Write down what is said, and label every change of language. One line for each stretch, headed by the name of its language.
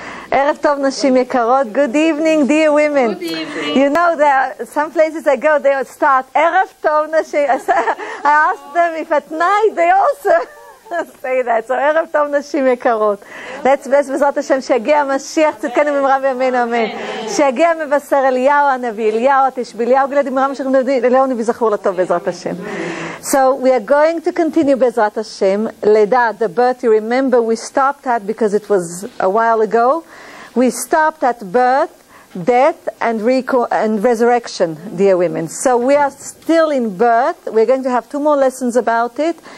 Hebrew: ערב טוב נשים יקרות,
English: good evening dear women. Good evening. You know there are some places I go they would start
Hebrew: ערב טוב נשים.
English: I ask them if at night they also say that.
Hebrew: So ערב טוב נשים יקרות.
English: Let's bless
Hebrew: בעזרת השם שיגיע המשיח צדקנו במהרה בימינו אמן. שיגיע מבשר אליהו הנביא, אליהו התשבי, אליהו גלעד במהרה משיח בנביא, אליהו נביא זכור לטוב בעזרת השם.
English: So we are going to continue Bezrat Hashem. Leda, the birth, you remember we stopped at, because it was a while ago, we stopped at birth, death, and resurrection, dear women. So we are still in birth. We're going to have two more lessons about it.